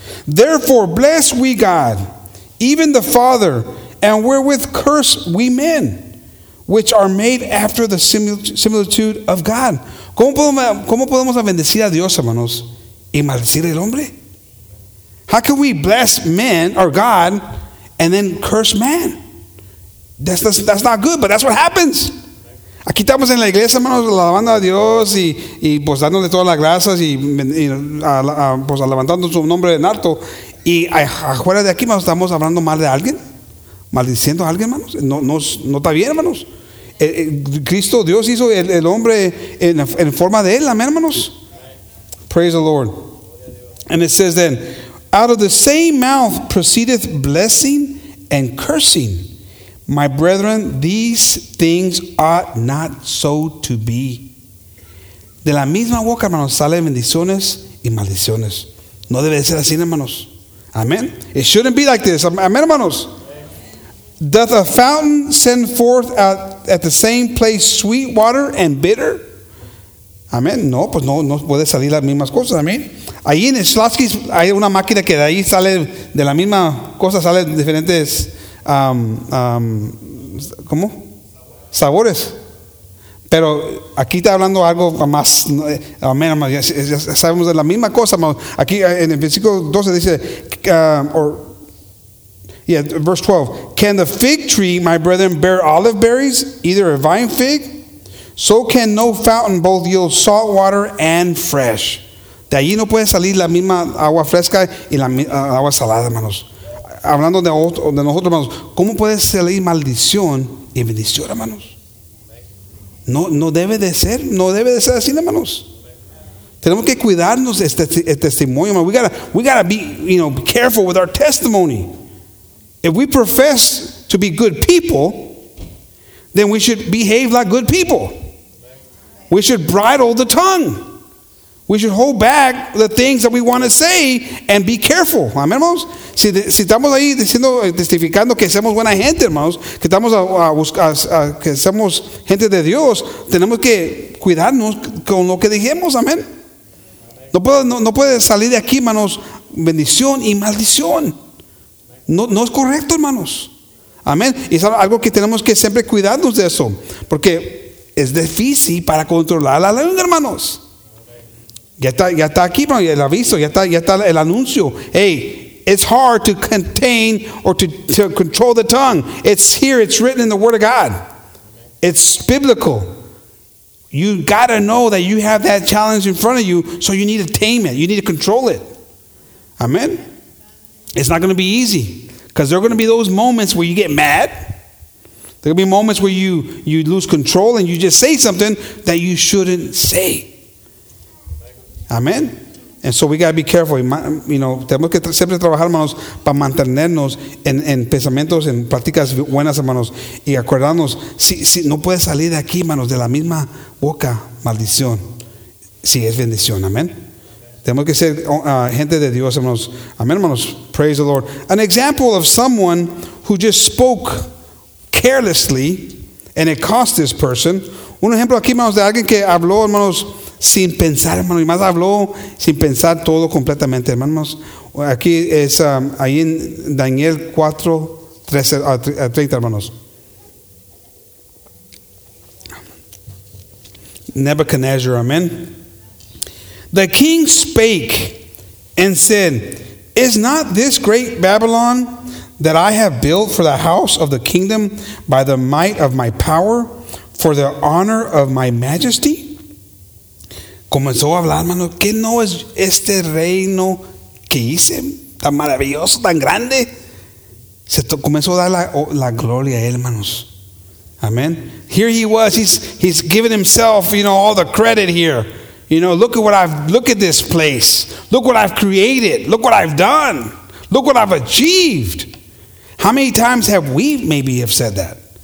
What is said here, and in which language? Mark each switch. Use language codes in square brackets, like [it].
[en] Therefore, bless we God, even the Father, and wherewith curse we men, which are made after the similitude of God. [es] ¿Cómo podemos bendecir a Dios, hermanos, y maldecir al hombre? [en] How can we bless men or God and then curse man? That's not good, but that's what happens. [es] Aquí estamos en la iglesia, hermanos, alabando a Dios y pues dándole todas las gracias y levantando su nombre en alto. Y afuera de aquí, hermanos, estamos hablando mal de alguien, maldiciendo a alguien, hermanos. No está bien, hermanos. Cristo, Dios hizo el hombre en forma de él, amén, hermanos. [en] Praise the Lord. And it says then, out of the same mouth proceedeth blessing and cursing. My brethren, these things ought not so to be. [es] De la misma boca, hermanos, salen bendiciones y maldiciones. No debe de ser así, hermanos. Amen. [en] It shouldn't be like this. [es] Amen, hermanos. Amen. [en] Doth a fountain send forth at the same place sweet water and bitter? Amen. [es] No, pues no puede salir las mismas cosas. Amen. Ahí en Slotsky hay una máquina que de ahí sale de la misma cosa, sale diferentes... ¿cómo? Sabores. Pero aquí está hablando algo más. Amén. Ya sabemos de la misma cosa. Aquí en el versículo 12 dice, [en] verse 12. Can the fig tree, my brethren, bear olive berries, either a vine fig? So can no fountain both yield salt water and fresh. [es] De allí no puede salir la misma agua fresca y la agua salada, hermanos. Hablando de nosotros, hermanos, ¿cómo puede salir maldición y bendición, hermanos? No debe de ser así, hermanos. Tenemos que cuidarnos este testimonio, hermanos. [en] We gotta be, you know, be careful with our testimony. If we profess to be good people, then we should behave like good people. We should bridle the tongue. We should hold back the things that we want to say and be careful. [es] Amén, hermanos. Si estamos ahí diciendo, testificando que somos buena gente, hermanos, que estamos a buscar, que somos gente de Dios, tenemos que cuidarnos con lo que dijimos. Amén. No puede salir de aquí, hermanos, bendición y maldición. No es correcto, hermanos. Amén. Y es algo que tenemos que siempre cuidarnos de eso, porque es difícil para controlar la lengua, hermanos. Ya está aquí, bro, el aviso, ya está el anuncio. [en] Hey, it's hard to contain or to control the tongue. It's here, it's written in the Word of God. It's biblical. You got to know that you have that challenge in front of you, so you need to tame it. You need to control it. Amen? It's not going to be easy, because there are going to be those moments where you get mad. There will be moments where you lose control and you just say something that you shouldn't say. Amen. And so we got to be careful. You know, [es] tenemos que siempre trabajar, hermanos, para mantenernos en pensamientos, en prácticas buenas, hermanos. Y acordarnos, si no puede salir de aquí, hermanos, de la misma boca, maldición. Si es bendición. Amen. Tenemos que ser gente de Dios, hermanos. Amen, hermanos. [en] Praise the Lord. An example of someone who just spoke carelessly and it cost this person. [es] Un ejemplo aquí, hermanos, de alguien que habló, hermanos, sin pensar, hermano, y más habló sin pensar todo completamente, hermanos. Aquí es ahí en Daniel 4, 13 a 30, hermanos. Nebuchadnezzar, amen. [en] The king spake and said, is not this great Babylon that I have built for the house of the kingdom by the might of my power for the honor of my majesty? [es] Comenzó a hablar, hermano, ¿qué no es este reino que hice tan maravilloso, tan grande? Comenzó a dar la gloria a él, hermanos. [en] Amen. Here he was, he's giving himself, you know, all the credit here. You know, look at this place. Look what I've created. Look what I've done. Look what I've achieved. How many times have we maybe have said that?